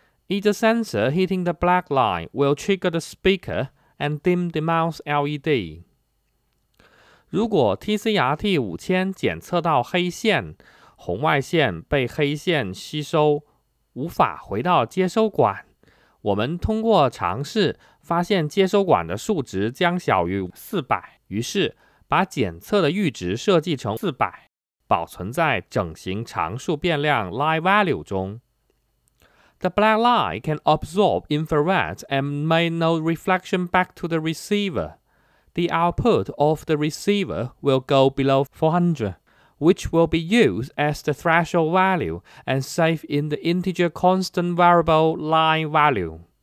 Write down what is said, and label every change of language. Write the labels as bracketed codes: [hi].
[en] Each sensor hitting the black line will trigger the speaker and dim the mouse LED. [zh] 如果 TCRT5000 检测到黑线，红外线被黑线吸收，无法回到接收管。我们通过尝试发现接收管的数值将小于400，于是把检测的阈值设计成400，保存在整形常数变量 lie value 中。 [en] The black line can absorb infrared and make no reflection back to the receiver. The output of the receiver will go below 400, which will be used as the threshold value and saved in the integer constant variable lie value.